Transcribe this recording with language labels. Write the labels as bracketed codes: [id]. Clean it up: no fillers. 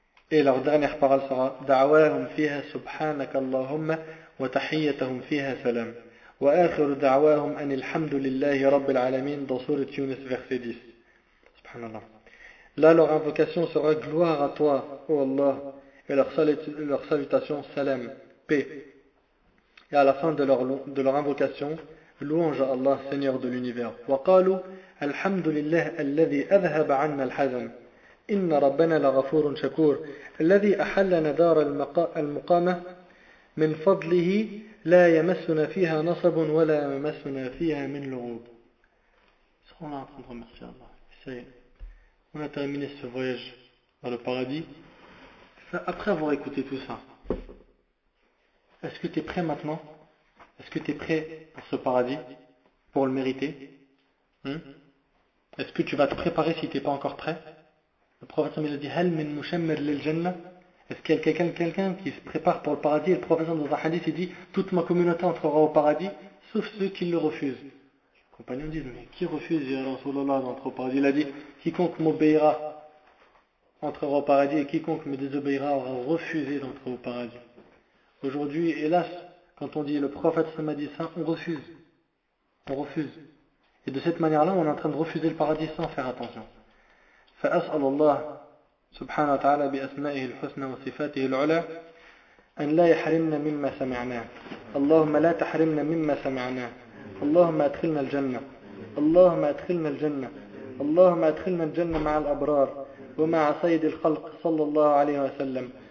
[fr] Et leur dernière parole sera [ar] دعواهم فيها سبحانك اللهم وتحيتهم فيها سلام وآخر دعواهم أن الحمد لله رب العالمين [fr] dans sourate Yunus verset 10. [ar] Subhanallah. [fr] Là leur invocation sera gloire à toi, ô Allah, et leur salutation salam, paix. Et à la fin de leur invocation, louange à Allah, Seigneur de l'univers. [ar] وقالوا الحمد لله الذي أذهب عنا الحزن إن ربنا لغفور شكور الذي أحلنا دار المقامة من فضله لا يمسنا فيها نصب ولا يمسنا فيها من لغوب. سبحان الله الحمد لله ما شاء الله. [fr] On a terminé ce voyage dans le paradis. Après avoir écouté tout ça, est-ce que tu es prêt maintenant? Est-ce que tu es prêt pour ce paradis, pour le mériter? Est-ce que tu vas te préparer si tu n'es pas encore prêt? Le prophète a dit, [ar] Hal min mushammir lil jannah? [fr] Est-ce qu'il y a quelqu'un qui se prépare pour le paradis? Et le prophète dans un hadith, il dit, toute ma communauté entrera au paradis, sauf ceux qui le refusent. Les compagnons disent, mais qui refuse, ya Rasulallah, d'entrer au paradis? Il a dit, quiconque m'obéira entrera au paradis, et quiconque me désobéira aura refusé d'entrer au paradis. Aujourd'hui, hélas, quand on dit, le prophète s'en a dit ça, on refuse. On refuse. Et de cette manière-là, on est en train de refuser le paradis sans faire attention. [ar] فأسأل الله سبحانه وتعالى بأسمائه الحسنى وصفاته العلى أن لا يحرمنا مما سمعناه. اللهم لا تحرمنا مما سمعناه. اللهم أدخلنا الجنة. اللهم أدخلنا الجنة. اللهم أدخلنا الجنة مع الأبرار ومع سيد الخلق صلى الله عليه وسلم.